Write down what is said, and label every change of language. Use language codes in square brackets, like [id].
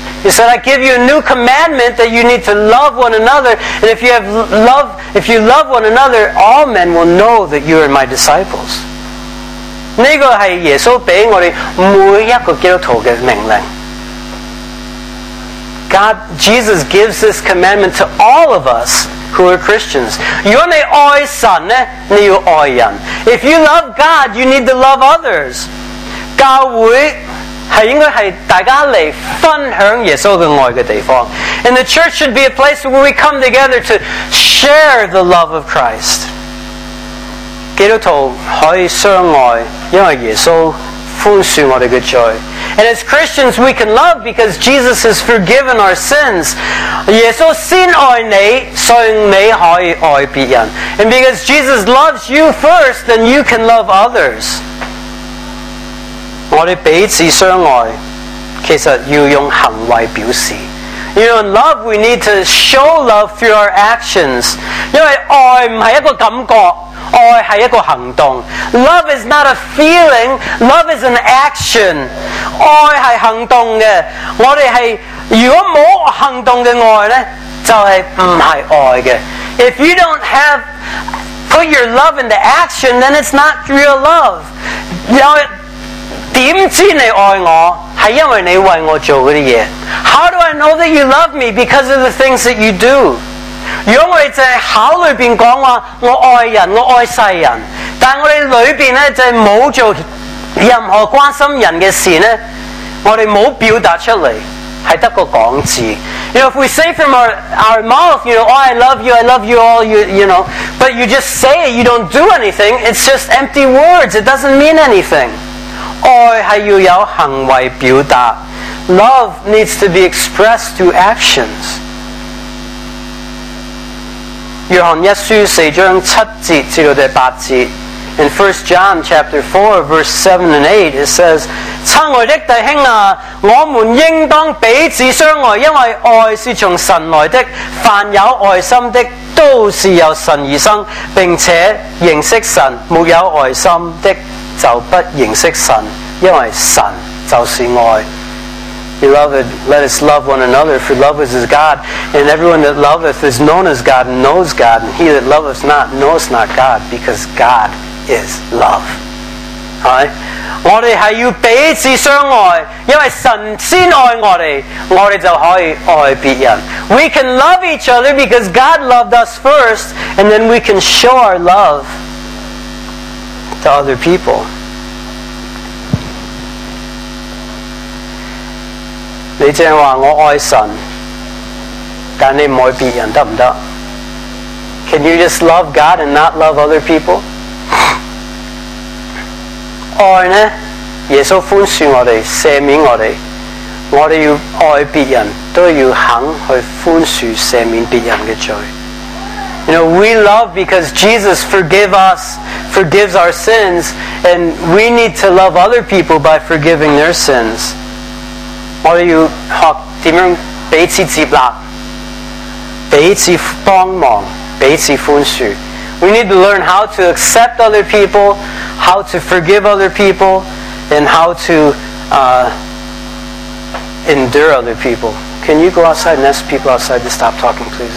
[en] He said, I give you a new commandment that you need to love one another, and if you love one another, all men will know that you are my disciples. [zh] 这个是耶稣给我们每一个基督徒的命令。 [en] God, Jesus gives this commandment to all of us who are Christians. [zh] 如果你爱神呢，你要爱人。 [en] If you love God, you need to love others. [zh] 教会是应该是大家来分享耶稣的爱的地方。 [en] And the church should be a place where we come together to share the love of Christ. [zh] 基督徒可以相爱，因为耶稣宽恕我们的罪。 [en] And as Christians we can love because Jesus has forgiven our sins. [zh] 耶稣先爱你，所以你可以爱别人。 [en] And because Jesus loves you first, then you can love others. [zh] 我们彼此相爱，其实要用行为表示。 [en] You know, in love, we need to show love through our actions. [zh] 因为爱不是一个感觉，爱是一个行动。 [en] Love is not a feeling, love is an action. [zh] 爱是行动的，我们是，如果没有行动的爱呢，就是不是爱的。 [en] If you don't have put your love into action, then it's not real love. [zh] 因为怎知你爱我，是因为你为我做的事。 [en] How do I know that you love me? Because of the things that you do. [zh] 如果我们在口里面说话，我爱人，我爱世人，但我们里面呢，就是没有做任何关心人的事呢，我们没有表达出来，是只有个讲字。 [en] You know, if we say from our mouth, you know, oh, I love you all, you know, but you just say it, you don't do anything, it's just empty words, it doesn't mean anything. [zh] 爱是要有行为表达， [en] Love needs to be expressed through actions. [zh] 约翰一书四章七节至到第八节 ， [en] In 1 John chapter 4 verse 7 and 8 it says， [zh] 亲爱的弟兄啊，我们应当彼此相爱，因为爱是从神来的。凡有爱心的，都是由神而生，并且认识神。没有爱心的就不认识神，因为神就是爱。 [en] Beloved, let us love one another, for love is God, and everyone that loveth is known as God and knows God, and he that loveth not knows not God, because God is love. Right? [zh] 我们是要彼此相爱，因为神先爱我们，我们就可以爱别人。 [en] We can love each other because God loved us first, and then we can show our love to other people. [zh] 你只是说我爱神，但你不爱别人，行不行？ [en] Can you just love God and not love other people? [zh] 爱呢，耶稣宽恕我们，赦免我们，我们要爱别人，都要肯去宽恕赦免别人的罪。 [en] You know, we love because Jesus forgives our sins, and we need to love other people by forgiving their sins. What do you talk? [zh] 怎么样彼此接纳，彼此帮忙，彼此宽恕？ [en] We need to learn how to accept other people, how to forgive other people, and how to endure other people. Can you go outside and ask people outside to stop talking, please?